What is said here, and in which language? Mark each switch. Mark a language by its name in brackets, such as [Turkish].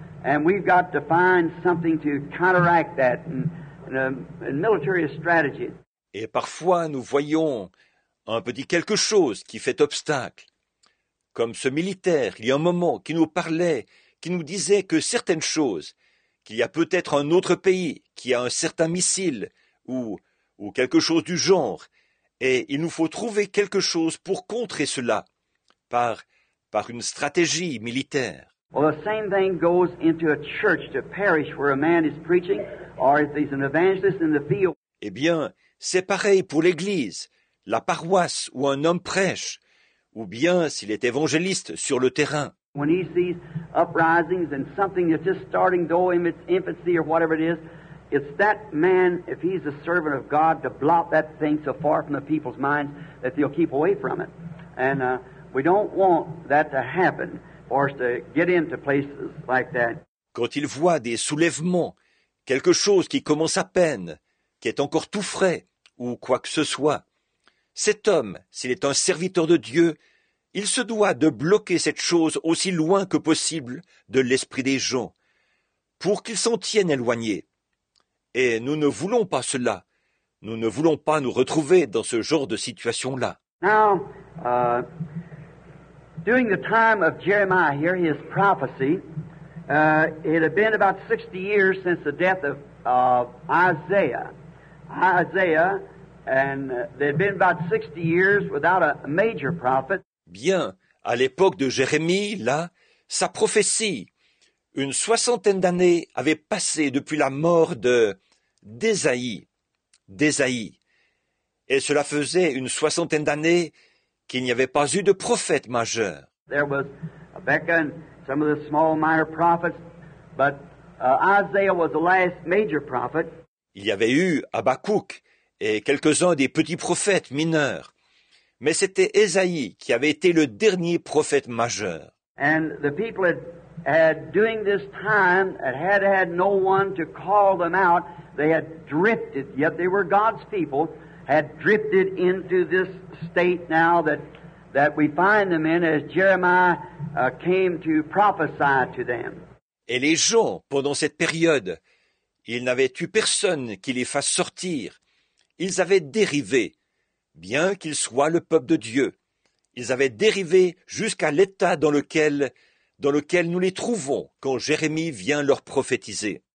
[English] And we've got to find something to counteract that and military strategy. [French] Et parfois nous voyons un petit quelque chose qui fait obstacle. Comme ce militaire, il y a un moment, qui nous disait que certaines choses, qu'il y a peut-être un autre pays qui a un certain missile ou quelque chose du genre, et il nous faut trouver quelque chose pour contrer cela par une stratégie militaire. [English] Well, the same thing goes into a church, to parish where a man is preaching, or if he's an evangelist in the field. [French] Eh bien, c'est pareil pour l'église, la paroisse où un homme prêche, ou bien s'il est évangéliste sur le terrain. [English] When he sees uprisings and something that's just starting, though in its infancy or whatever it is, it's that man, if he's a servant of God, to blot that thing so far from the people's minds that they'll keep away from it. And we don't want that to happen for us to get into places like that. [French] Quand il voit des soulèvements, quelque chose qui commence à peine, qui est encore tout frais, ou quoi que ce soit, cet homme, s'il est un serviteur de Dieu, il se doit de bloquer cette chose aussi loin que possible de l'esprit des gens, pour qu'ils s'en tiennent éloignés. Et nous ne voulons pas cela. Nous ne voulons pas nous retrouver dans ce genre de situation-là. [English] Now, during the time of Jeremiah here, his prophecy, it had been about 60 years since the death of Isaiah. Isaiah, and there had been about 60 years without a major prophet. [French] Bien, à l'époque de Jérémie, là, sa prophétie, une soixantaine d'années avait passé depuis la mort d'Ésaïe. Et cela faisait une soixantaine d'années qu'il n'y avait pas eu de prophète majeur. [English] There was Habakkuk and some of the small minor prophets, but Isaiah was the last major prophet. [French] Il y avait eu Habakkuk et quelques-uns des petits prophètes mineurs. Mais c'était Ésaïe qui avait été le dernier prophète majeur. [English] And the people had during this time had no one to call them out. They had drifted, yet they were God's people, had drifted into this state now that we find them in as Jeremiah came to prophesy to them. [French] Et les gens, pendant cette période, ils n'avaient eu personne qui les fasse sortir. Ils avaient dérivé, bien qu'ils soient le peuple de Dieu. Ils avaient dérivé jusqu'à l'état dans lequel nous les trouvons quand Jérémie vient leur prophétiser.